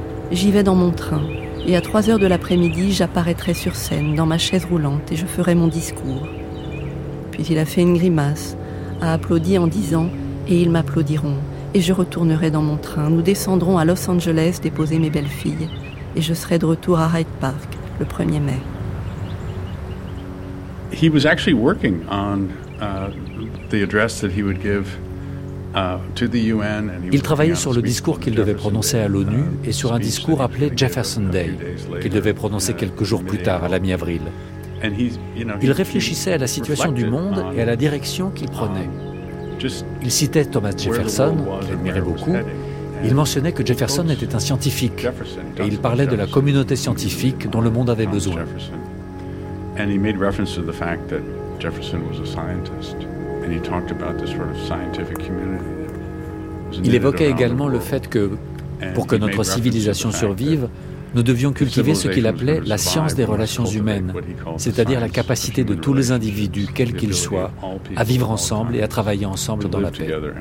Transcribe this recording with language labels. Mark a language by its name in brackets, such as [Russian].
[French] J'y vais dans mon train, et à 3h de l'après-midi, j'apparaîtrai sur scène, dans ma chaise roulante, et je ferai mon discours. Puis il a fait une grimace, a applaudi en disant « et ils m'applaudiront, et je retournerai dans mon train, nous descendrons à Los Angeles déposer mes belles-filles, et je serai de retour à Hyde Park le 1er mai ». [English] He was actually working on the address that he would give to the UN. [French] Il travaillait sur le discours qu'il devait prononcer à l'ONU et sur un discours appelé Jefferson Day, qu'il devait prononcer quelques jours plus tard, à la mi-avril. Il réfléchissait à la situation du monde et à la direction qu'il prenait. Il citait Thomas Jefferson, qu'il admirait beaucoup. Il mentionnait que Jefferson était un scientifique et il parlait de la communauté scientifique dont le monde avait besoin. [English] And he made reference to the fact that Jefferson was a scientist, and he talked about this sort of scientific community. [French] Il évoquait également le fait que, pour que notre civilisation survive, nous devions cultiver ce qu'il appelait la science des relations humaines, c'est-à-dire la capacité de tous les individus, quels qu'ils soient, à vivre ensemble et à travailler ensemble dans la paix.